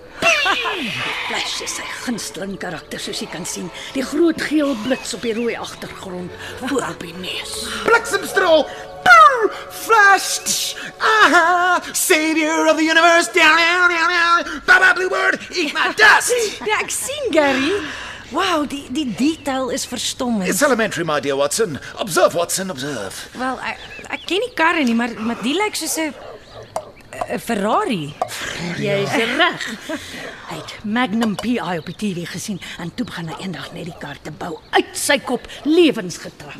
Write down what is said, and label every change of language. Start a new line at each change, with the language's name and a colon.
Afrikaans: Die flash is sy gunsteling karakter, soos jy kan sien. Die groot geel bliks op die rooi achtergrond, voor op die neus. Bliksemstraal! Boom! Flash! Aha!
English: Savior of the universe! Down, down, down, down! Baba Blue Bird, eat my dust!
Afrikaans: Ja, ek sien, Gary. Wow, die detail is verstommend.
English: It's elementary, my dear Watson. Observe, Watson, observe.
Afrikaans: Wel, ek ken die karre nie, maar die lyk soos 'n Ferrari. Jy is reg. Hy het Magnum PI op die TV gesien en toe begin hy eendag net die kar te bou uit sy kop lewensgetrek.